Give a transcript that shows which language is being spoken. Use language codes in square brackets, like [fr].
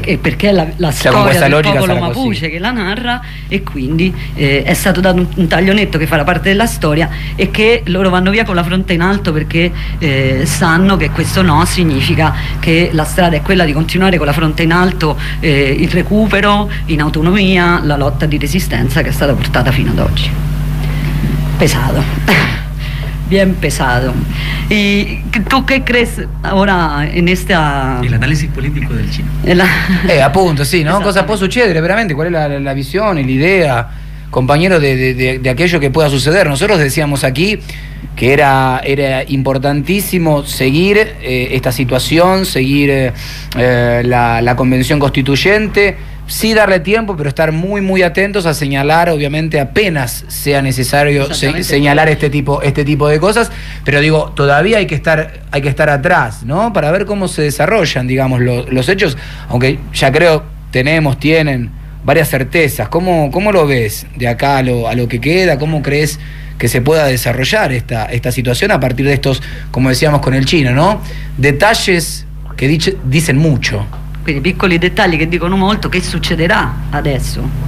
[it] E perché la storia del popolo mapuche che la narra, e quindi è stato dato un taglio netto che farà parte della storia, e che loro vanno via con la fronte in alto, perché sanno che questo no significa che la strada è quella di continuare con la fronte in alto il recupero in autonomia, la lotta di resistenza che è stata portata fino ad oggi. [es] Pesato. Bien pesado. ¿Y tú qué crees ahora en esta? El análisis político del Chile. Appunto, sí, ¿no? Cosa puede suceder, veramente. ¿Cuál es la visión y la idea, compañero, de aquello que pueda suceder? Nosotros decíamos aquí que era importantísimo seguir esta situación, seguir la convención constituyente, sí darle tiempo, pero estar muy muy atentos a señalar, obviamente, apenas sea necesario señalar este tipo de cosas, pero digo, todavía hay que estar atrás, ¿no? Para ver cómo se desarrollan, digamos, los hechos, aunque ya creo tienen varias certezas. ¿Cómo lo ves de acá a lo que queda? ¿Cómo crees que se pueda desarrollar esta situación a partir de estos, como decíamos con el chino, ¿no? Detalles que dicen mucho. [it] Quindi piccoli dettagli che dicono molto, che succederà adesso?